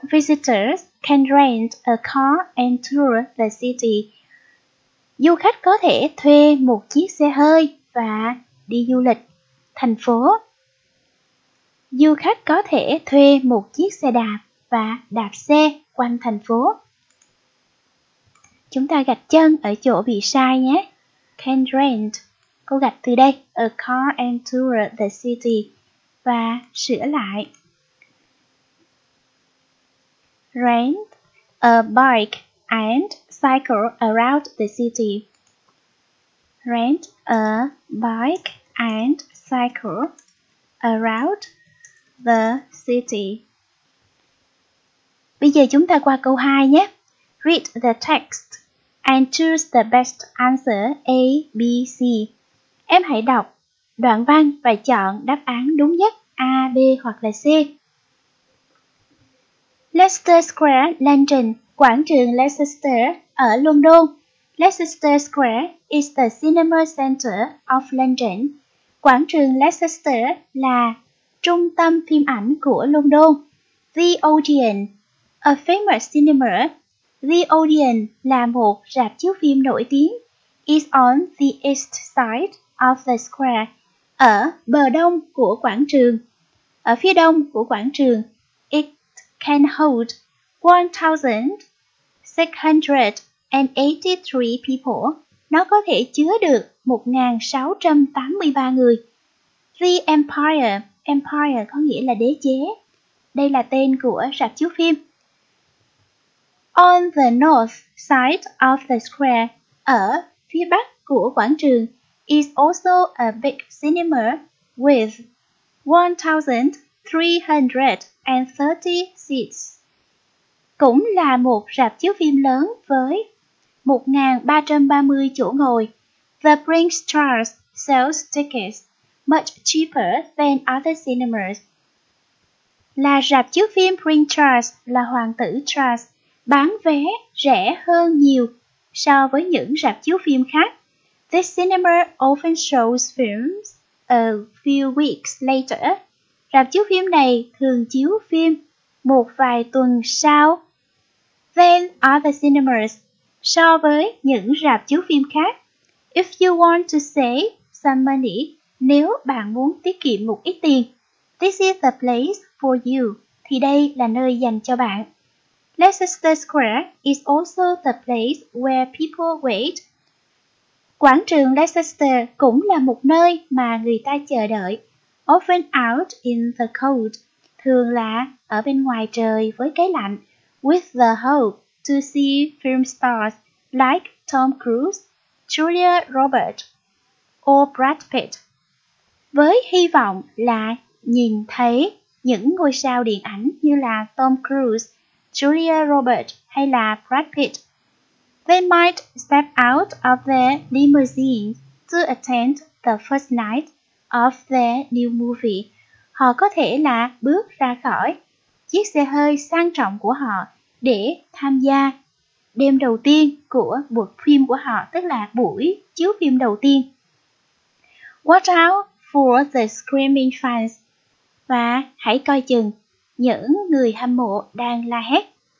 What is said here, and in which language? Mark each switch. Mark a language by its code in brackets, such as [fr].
[en] Visitors can rent a car and tour the city. [vi] Du khách có thể thuê một chiếc xe hơi và đi du lịch thành phố. Du khách có thể thuê một chiếc xe đạp và đạp xe quanh thành phố. Chúng ta gạch chân ở chỗ bị sai nhé. [en] Can rent. [vi] Cô gạch từ đây. [en] A car and tour the city. [vi] Và sửa lại. [en] Rent a bike and cycle around the city. Rent a bike and cycle around the city. [vi] Bây giờ chúng ta qua câu 2 nhé. [en] Read the text and choose the best answer A, B, C. [vi] Em hãy đọc đoạn văn và chọn đáp án đúng nhất A, B hoặc là C. Leicester Square, London. Quảng trường Leicester ở London. [en] Leicester Square is the cinema center of London. [vi] Quảng trường Leicester là trung tâm phim ảnh của London. The Odeon, [en] a famous cinema. [vi] The Odeon là một rạp chiếu phim nổi tiếng. [en] Is on the east side of the square. [vi] Ở bờ đông của quảng trường. Ở phía đông của quảng trường. [en] It can hold 1,683 people. [vi] Nó có thể chứa được 1,683 người. The Empire. Empire có nghĩa là đế chế. Đây là tên của rạp chiếu phim. [en] On the north side of the square, [vi] ở phía bắc của quảng trường, [en] is also a big cinema with 1,330 seats. [vi] Cũng là một rạp chiếu phim lớn với 1,330 chỗ ngồi. [en] The Bronx Stars sells tickets much cheaper than other cinemas. [vi] Là rạp chiếu phim Bronx Stars, là hoàng tử Stars, bán vé rẻ hơn nhiều so với những rạp chiếu phim khác. [en] This cinema often shows films a few weeks later. [vi] Rạp chiếu phim này thường chiếu phim một vài tuần sau. [en] When are the cinemas? [vi] So với những rạp chiếu phim khác. [en] If you want to save some money, [vi] nếu bạn muốn tiết kiệm một ít tiền. [en] This is the place for you. [vi] Thì đây là nơi dành cho bạn. [en] Leicester Square is also the place where people wait. [vi] Quảng trường Leicester cũng là một nơi mà người ta chờ đợi. [en] Often out in the cold, [vi] thường là ở bên ngoài trời với cái lạnh, [en] with the hope to see film stars like Tom Cruise, Julia Roberts, or Brad Pitt. [vi] Với hy vọng là nhìn thấy những ngôi sao điện ảnh như là Tom Cruise, Julia Roberts hay là Brad Pitt. [en] They might step out of their limousine to attend the first night of their new movie. [vi] Họ có thể là bước ra khỏi chiếc xe hơi sang trọng của họ để tham gia đêm đầu tiên của buổi phim của họ, tức là buổi chiếu phim đầu tiên. [en] Watch out for the screaming fans. [vi] Và hãy coi chừng những người hâm mộ đang la hét.